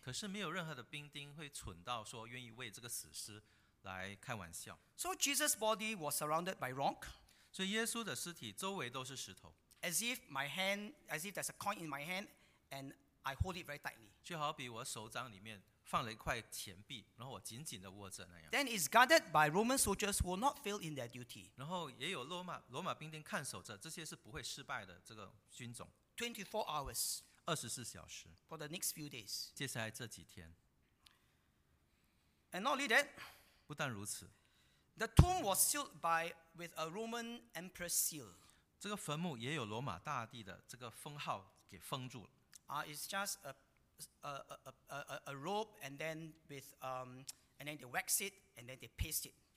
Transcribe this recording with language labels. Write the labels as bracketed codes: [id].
[zh] 可是没有任何的兵丁会蠢到说愿意为这个死尸来开玩笑。 [en] So Jesus' body was surrounded by rock. [zh] 所以耶稣的尸体周围都是石头。 [en] As if there's a coin in my hand, and I hold it very tightly. [zh] 就好比我手掌里面 放了一块钱币, 然后我紧紧地握着那样。 [en] Then it's guarded by Roman soldiers who will not fail in their duty. [zh] 然后也有罗马兵丁看守着, 这些是不会失败的, 这个军种。 [en] 24 hours. [zh] 24小时。 [en] For the next few days. [zh] 接下来这几天。 [en] And not only that, [zh] 不但如此, [en] the tomb was sealed with a Roman emperor's seal. [zh] 这个坟墓也有罗马大帝的这个封号给封住了。 [en] It's just a rope, and then and then they wax it, and then they paste it.